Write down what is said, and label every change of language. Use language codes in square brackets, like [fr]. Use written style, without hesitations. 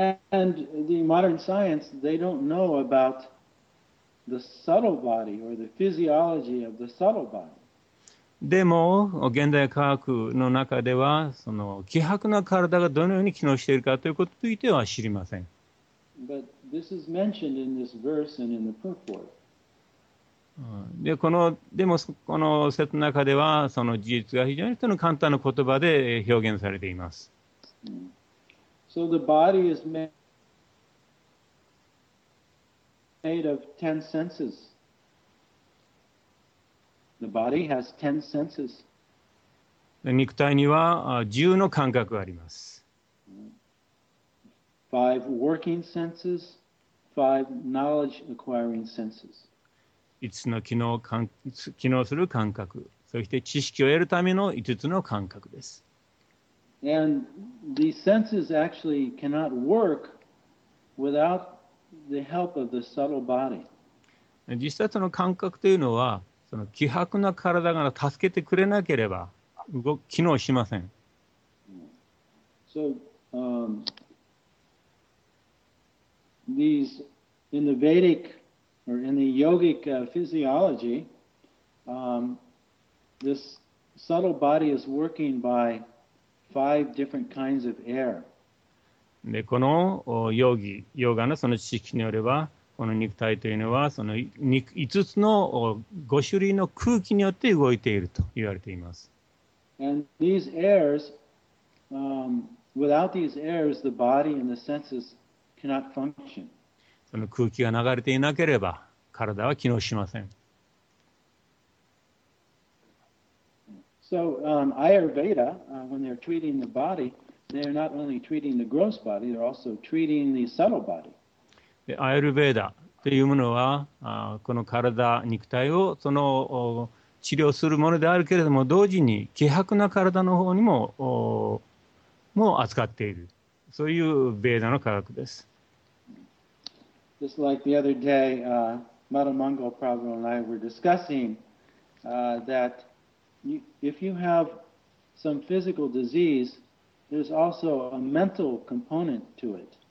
[en] And the modern science, they don't know about the subtle body or the physiology of the subtle body. [ja] でも、現代科学の中では、その希薄な体がどのように機能しているかということについては知りません。 [en] But this is mentioned in this verse and in the purport. [ja] で、この、でもこの説の中ではその事実が非常にその簡単な言葉で表現されています。 [en] So the body is made of ten senses. The body has ten senses. [ja] 肉体には10の感覚があります。 [en] Five working senses, five knowledge acquiring senses. [ja] 5つの機能する感覚、そして知識を得るための5つの感覚です。 [en] And the senses actually cannot work without the help of the subtle body. [ja] 実際その感覚というのは、その希薄な体が助けてくれなければ機能しません。 [en] So, these in the Vedic. Or in the yogic physiology, this subtle body is working by five different kinds of air. [ja] で、このヨガのその知識によれば、この肉体というのはその5つの5種類の空気によって動いていると言われています。 [en] And these airs, without these airs, the body and the senses cannot function. [ja] その空気が流れていなければ、体は機能しません。 [en] So, Ayurveda, when they're treating the body, they're not only treating the gross body, they're also treating the subtle body. [ja] で、アーユルヴェーダというものは、この体、肉体をその治療するものであるけれども、同時に希薄な体の方にも、も扱っている。そういうヴェーダの科学です。 [en] Just like the other day, Madamango Prabhu and I were discussing that if you have some physical disease, there's also a mental component to it.